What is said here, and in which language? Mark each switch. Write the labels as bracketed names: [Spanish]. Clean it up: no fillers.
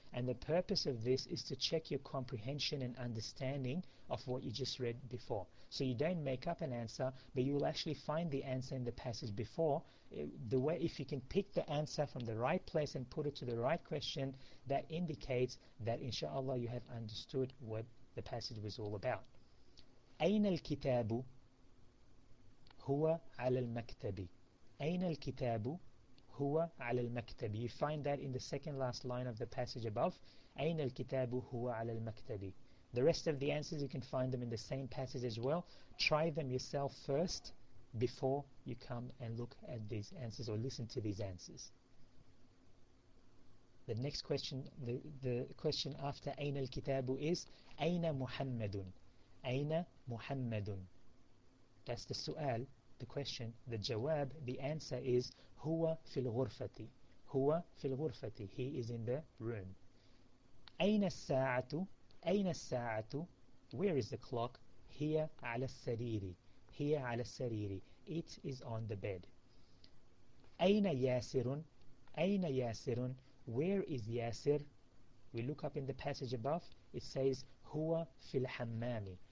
[English] And the purpose of this is to check your comprehension and understanding of what you just read before. So you don't make up an answer, but you will actually find the answer in the passage before. The way, if you can pick the answer from the right place and put it to the right question, that indicates that inshallah you have understood what the passage was all about. [Arabic] أين الكتاب هو على المكتب. أين الكتاب هو على المكتب. [English] You find that in the second last line of the passage above. [Arabic] أين الكتاب هو على المكتب. [English] The rest of the answers, you can find them in the same passage as well. Try them yourself first before you come and look at these answers or listen to these answers. The next question, the question after [Arabic] أين الكتاب [English] is [Arabic] أين محمد. أين محمد. [English] That's the سؤال. The question, the jawab, the answer is [Arabic] هو في الغرفة. هو في الغرفة. [English] He is in the room. [Arabic] أين الساعة. أين الساعة. [English] Where is the clock. [Arabic] هي على السرير. هي على السرير. [English] It is on the bed. [Arabic] أين ياسر. أين ياسر. [English] Where is ياسر. We look up in the passage above. It says [Arabic] هو في الحمام.